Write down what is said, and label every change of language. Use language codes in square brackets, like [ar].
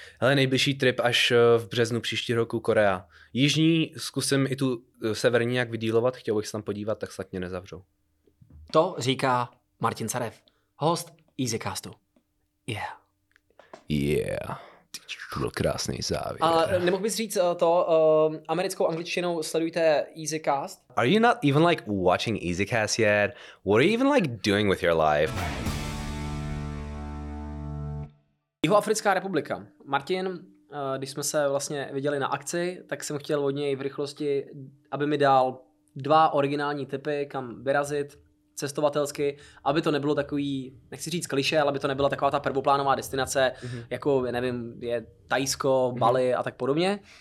[cs] Hele, nejbližší trip až v březnu příští roku Korea. Jižní zkusím i tu severní nějak vydílovat, chtěl bych se tam podívat, tak snad mě nezavřou. To říká Martin Carev, host EasyCastu. [en] Yeah. [cs] Yeah. To byl krásný závěr. A nemohl bys říct to, americkou angličtinou sledujte EasyCast? [en] Are you not even like watching EasyCast yet? What are you even like doing with your life? [cs] Jihoafrická republika. Martin, když jsme se vlastně viděli na akci, tak jsem chtěl od něj v rychlosti, aby mi dal dva originální tipy, kam vyrazit cestovatelsky, aby to nebylo takový, nechci říct klišé, ale aby to nebyla taková ta prvoplánová destinace, jako nevím, je Tajsko, Bali a tak podobně.